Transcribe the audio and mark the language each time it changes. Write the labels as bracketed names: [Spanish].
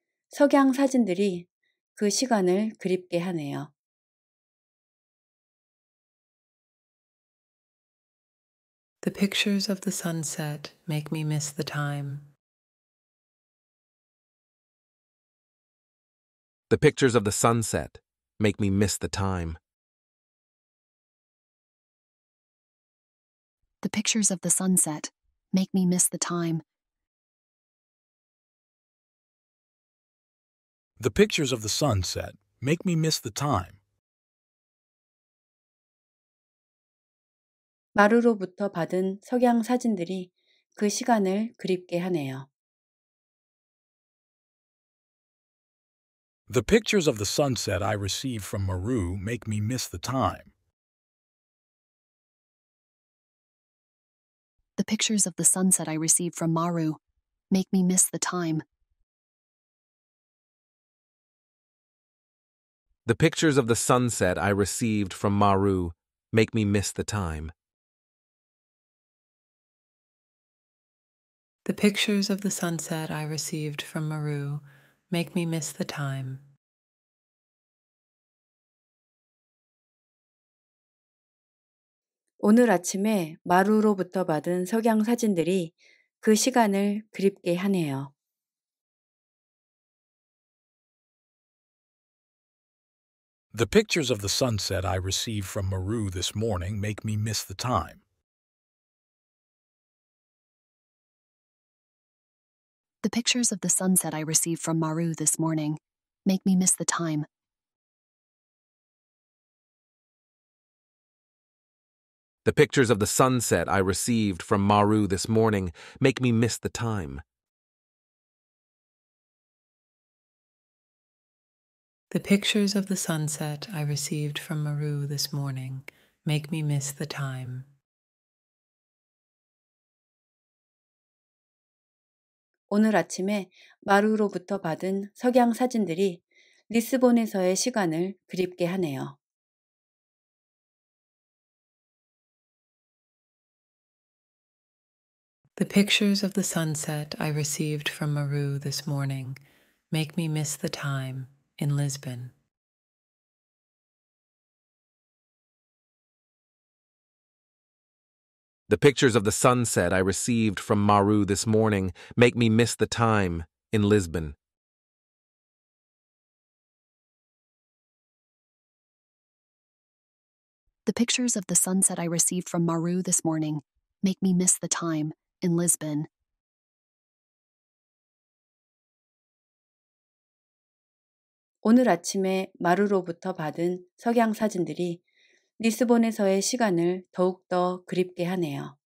[Korean] 석양 사진들이 그 시간을 그립게 하네요. [English] The pictures of the sunset make me miss the time. The pictures of the sunset make me miss the time. The pictures of the sunset make me miss the time. The pictures of the sunset make me miss the time. [Korean] 마루로부터 받은 석양 사진들이 그 시간을 그립게 하네요. [English] The pictures of the sunset I received from Maru make me miss the time. The pictures of the sunset I received from Maru make me miss the time. The pictures of the sunset I received from Maru make me miss the time. The pictures of the sunset I received from Maru make me miss the time. [Korean] 오늘 아침에 마루로부터 받은 석양 사진들이 그 시간을 그립게 하네요. [English] The pictures of the sunset I received from Maru this morning make me miss the time. The pictures of the sunset I received from Maru this morning make me miss the time. The pictures of the sunset I received from Maru this morning make me miss the time. The pictures of the sunset I received from Maru this morning make me miss the time. [Korean] 오늘 아침에 마루로부터 받은 석양 사진들이 리스본에서의 시간을 그립게 하네요. [English] The pictures of the sunset I received from Maru this morning make me miss the time in Lisbon. The pictures of the sunset I received from Maru this morning make me miss the time in Lisbon. The pictures of the sunset I received from Maru this morning make me miss the time in Lisbon. [Korean] In 오늘 아침에 마루로부터 받은 석양 사진들이 리스본에서의 시간을 더욱더 그립게 하네요.